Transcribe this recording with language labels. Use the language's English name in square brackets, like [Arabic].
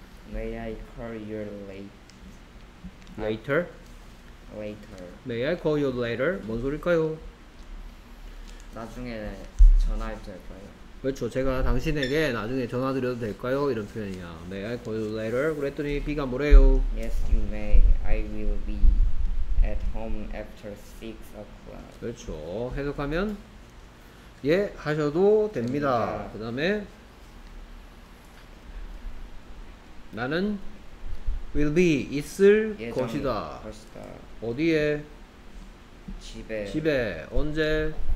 [English] May I call you late? Later? Later. May I call you later? [Korean] 뭔 소릴까요? 나중에 전화해도 될까요? 그렇죠. 제가 당신에게 나중에 전화드려도 될까요? 이런 표현이야. [English] May I call you later? [Korean] 그랬더니 B가 뭐래요? [English] Yes, you may. I will be at home after 6 o'clock. [Korean] 그렇죠. 해석하면 예 하셔도 됩니다. 됩니다. 그 다음에 나는 will be 있을 것이다. 것이다. 어디에? 집에. 집에. 언제?